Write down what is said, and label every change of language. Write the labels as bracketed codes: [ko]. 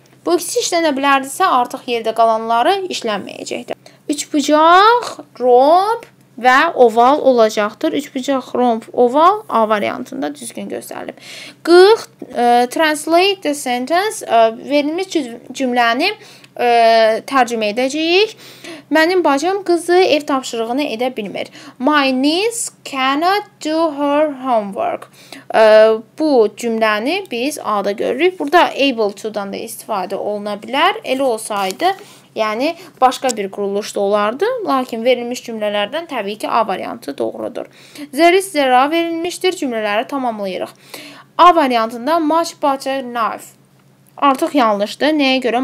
[az] Bu ikisi işlənə bilərdisə, artıq yerdə qalanları işlənməyəcəkdir. Üç bucaq, romb və oval olacaqdır. Üç bucaq, romb, oval A variantında düzgün göstərilib. [en] 40. Translate the sentence. [az] Verilmiş cümləni tərcümə edəcəyik. Mənim bacım qızı ev tapşırığını edə bilmir. [en] My niece cannot do her homework. [az] Bu cümləni biz A-da görürük. Burada able to-dan da istifadə oluna bilər. Elə olsaydı, yəni başqa bir quruluşda olardı. Lakin verilmiş cümlələrdən təbii ki A variantı doğrudur. There is zero verilmişdir. Cümlələri tamamlayırıq. A variantında much butter knife. Artıq yanlışdır. Nəyə görə?